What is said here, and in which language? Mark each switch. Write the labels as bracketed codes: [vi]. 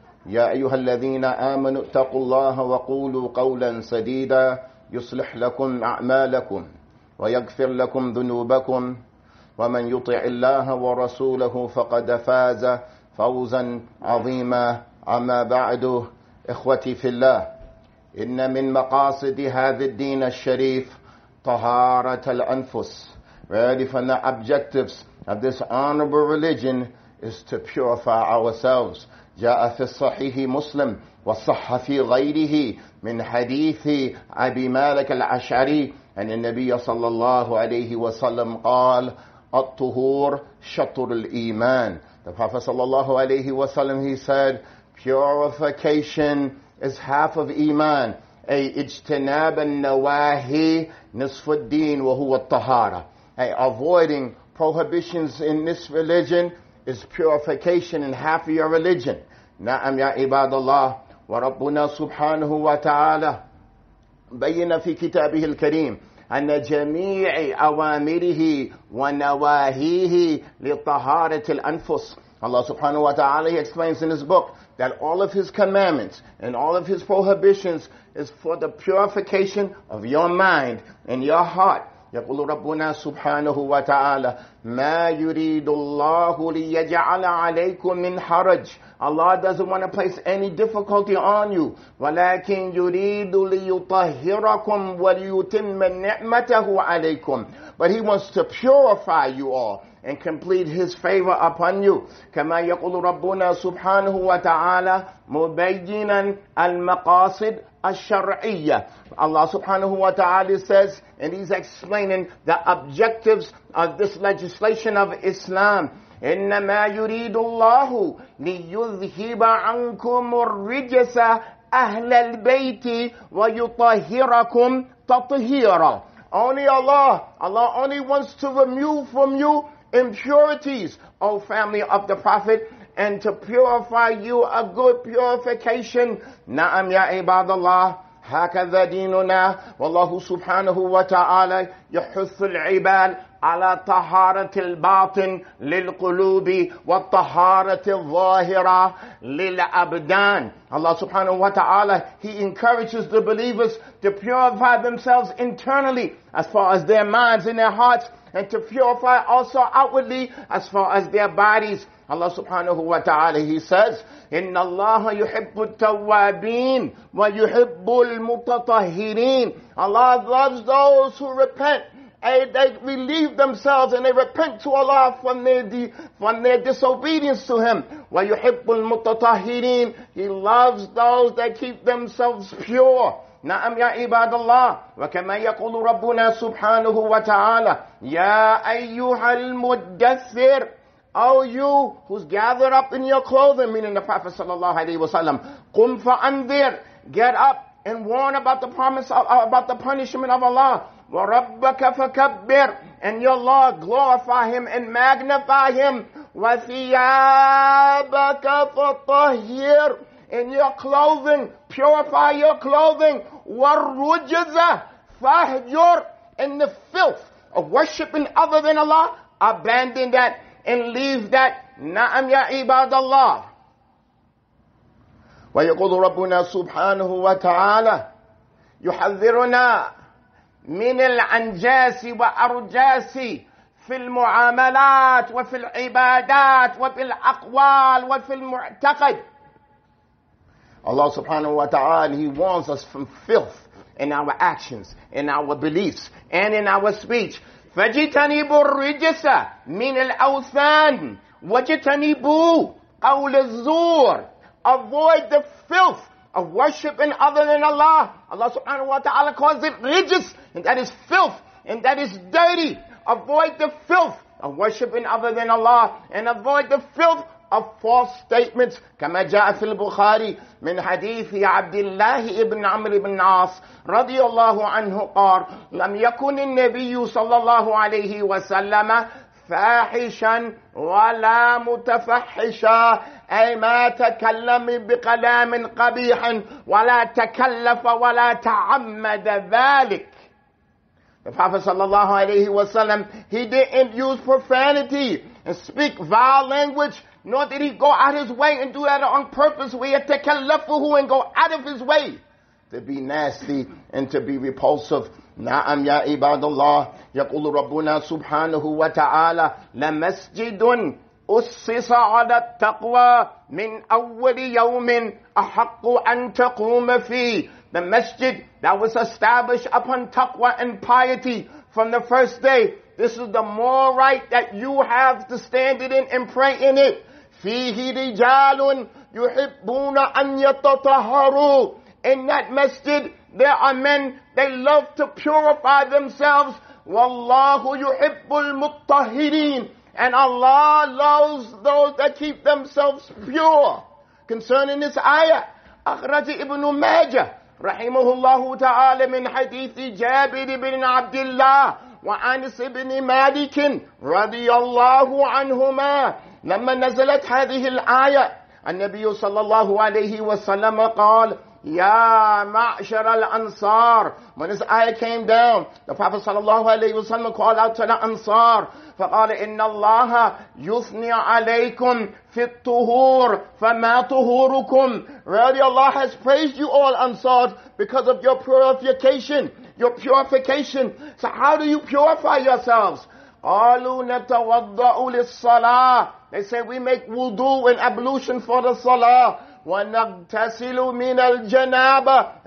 [ar] يا أيها الذين آمنوا اتقوا الله وقولوا قولا سديدا يصلح لكم أعمالكم ويغفر لكم ذنوبكم ومن يطع الله ورسوله فقد فاز فوزا عظيما. أما بعد، إخوتي في الله، إن من مقاصد هذا الدين الشريف طهارة الأنفس. [en] Really, from the objectives of this honorable religion is to purify ourselves. [ar] جاء في الصحيح مسلم وصح في غيره من حديث أبي مالك الأشعري أن النبي صلى الله عليه وسلم قال الطهور شطر الإيمان. [en] The Prophet صلى الله عليه وسلم, he said, purification is half of Iman. [ar] أي اجتناب النواهي نصف الدين وهو الطهارة. [en] Hey, avoiding prohibitions in this religion is purification in half of your religion. [ar] نعم يا عباد الله. وربنا سبحانه وتعالى بين في كتابه الكريم أن جميع أوامره ونواهيه لطهارة الأنفس. [en] Allah subhanahu wa ta'ala, he explains in his book that all of his commandments and all of his prohibitions is for the purification of your mind and your heart. [ar] يقول ربنا سبحانه وتعالى ما يريد الله ليجعل عليكم من حرج. [en] Allah doesn't want to place any difficulty on you. [ar] ولكن يريد ليطهركم وليتم نعمته عليكم. [en] But he wants to purify you all and complete his favor upon you. [ar] كما يقول ربنا سبحانه وتعالى مبينا المقاصد الشرعية. [en] Allah subhanahu wa ta'ala says, and he's explaining the objectives of this legislation of Islam. [ar] إِنَّمَا يُرِيدُ اللَّهُ لِيُذْهِبَ عَنْكُمُ الرِّجَسَ أَهْلَ الْبَيْتِ وَيُطَهِرَكُمْ تَطْهِيرًا. [en] Only Allah only wants to remove from you impurities, O family of the Prophet, and to purify you a good purification. [ar] نعم يا عباد الله هكذا ديننا. والله سبحانه وتعالى يحث العباد على طهارة الباطن للقلوب والطهارة الظاهرة للأبدان. [en] Allah subhanahu wa ta'ala, he encourages the believers to purify themselves internally as far as their minds and their hearts, and to purify also outwardly as far as their bodies. Allah subhanahu wa ta'ala, he says, [ar] إِنَّ اللَّهَ يُحِبُّ التَّوَّابِينَ وَيُحِبُّ الْمُتَطَهِّرِينَ. [en] Allah loves those who repent. They relieve themselves and they repent to Allah from their disobedience to Him. [ar] وَيُحِبُّ الْمُتَطَهِّرِينَ. [en] He loves those that keep themselves pure. [ar] نعم يا عباد الله. وكما يقول ربنا سبحانه وتعالى يا أيها المدثر. [en] Oh, you who's gathered up in your clothing, meaning the Prophet sallallahu alaihi wasallam, [ar] قم فأنذر, [en] get up and warn about the promise of, about the punishment of Allah. [ar] وربك فكبر, [en] and your Lord, glorify Him and magnify Him. [ar] وثيابك فطهير, [en] in your clothing, purify your clothing. [ar] والرجزة فاهجر, [en] in the filth of worshiping other than Allah, abandon that and leave that. [ar] نعم يا عباد الله. ويقول ربنا سبحانه وتعالى يحذرنا من العنجاس وأرجاس في المعاملات وفي العبادات وفي الأقوال وفي المعتقد. [en] Allah subhanahu wa ta'ala, He warns us from filth in our actions, in our beliefs, and in our speech. [ar] فَجِتَنِبُوا الرِّجِسَ مِنَ الْأَوْثَانِ وَجِتَنِبُوا قَوْلَ الزُّورِ. [en] Avoid the filth of worshiping other than Allah. Allah subhanahu wa ta'ala calls it rijis, and that is filth, and that is dirty. Avoid the filth of worshiping other than Allah, and avoid the filth of false statements. [ar] كما جاء في البخاري من حديث عبد الله ابن عمرو بن عاص رضي الله عنه قال لم يكن النبي صلى الله عليه وسلم فاحشا ولا متفحشا أي ما تكلم بكلام قبيح ولا تكلف ولا تعمد ذلك. [en] The Prophet صلى الله عليه وسلم, he didn't use profanity and speak vile language, nor did he go out his way and do that on purpose, where يتكلفه, and go out of his way to be nasty and to be repulsive. [ar] نعم يا عباد الله يقول ربنا سبحانه وتعالى لمسجد أسس على التقوى من أول يوم أحق أن تقوم فيه. [en] The masjid that was established upon taqwa and piety from the first day, this is the more right that you have to stand it in and pray in it. [ar] فيه رجال يحبون أن يتطهروا. [en] In that masjid, there are men, they love to purify themselves. [ar] وَاللَّهُ يُحِبُّ الْمُطَّهِرِينَ. [en] And Allah loves those that keep themselves pure. Concerning this ayah, [ar] أخرج ابن ماجه رحمه الله تعالى من حديث جابر بن عبد الله وأنس بن مالك رضي الله عنهما. لما نزلت هذه الآية النبي صلى الله عليه وسلم قال يا معشر الأنصار. [en] When this ayah came down, the Prophet صلى الله عليه وسلم called out to the Ansar. [ar] فقال إن الله يثني عليكم في الطهور فما طهوركم. [en] Really, Allah has praised you all, Ansar, because of your purification. Your purification. So how do you purify yourselves? [ar] قالوا نتوضع للصلاة. [en] They say we make wudu and ablution for the salah. [ar] وَنَغْتَسِلُ مِنَ الْجَنَابَةِ.